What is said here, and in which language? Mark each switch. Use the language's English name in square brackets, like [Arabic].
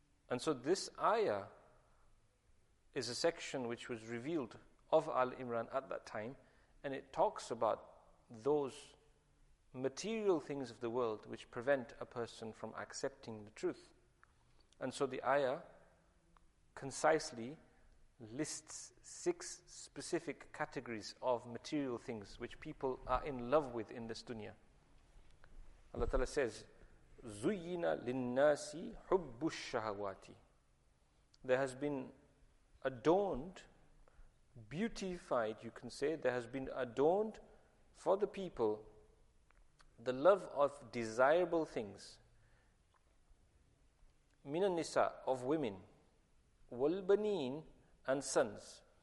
[English] And so this ayah is a section which was revealed of Al-Imran at that time, and it talks about those material things of the world which prevent a person from accepting the truth. And so the ayah concisely lists six specific categories of material things which people are in love with in this dunya. Allah Ta'ala says, [Arabic] زُيِّنَ لِلنَّاسِ حُبُّ الشَّهَوَاتِ. [English] There has been adorned, beautified, you can say, there has been adorned for the people the love of desirable things. [Arabic] مِنَ النِّسَى, [English] of women. وَالْبَنِينَ, and sons.